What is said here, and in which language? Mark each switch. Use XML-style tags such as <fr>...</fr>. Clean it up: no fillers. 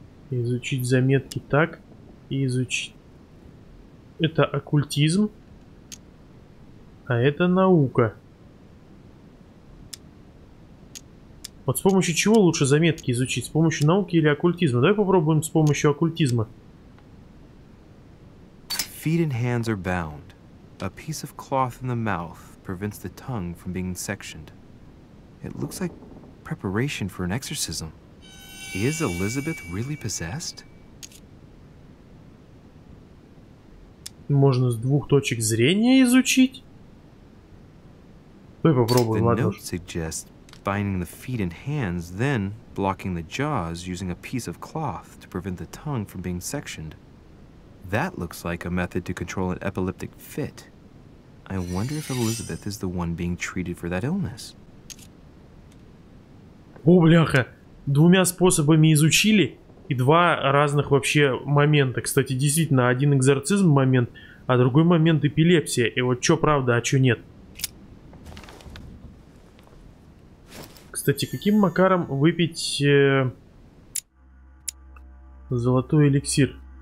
<ru>Изучить заметки так и изучить. Это оккультизм, а это наука. Вот с помощью чего лучше заметки изучить? С помощью науки или оккультизма? Давай попробуем с помощью оккультизма.</ru> <en>Feet and hands are bound. A piece of cloth in the mouth prevents the tongue from being sectioned. It looks like preparation for an exorcism. Is Elizabeth really possessed?</en> <ru>Можно с двух точек зрения изучить? Давай попробуем, ладно.</ru> <en>The note suggests binding the feet and hands, then blocking the jaws using a piece of cloth to prevent the tongue from being sectioned. That looks like a method to control an epileptic fit. I wonder if Elizabeth is the one being treated for that illness.</en> <ru>О, бляха! Двумя способами изучили и два разных вообще момента. Кстати, действительно, один экзорцизм момент, а другой момент эпилепсия. И вот что правда, а что нет. Кстати, каким макаром выпить золотой эликсир?</ru>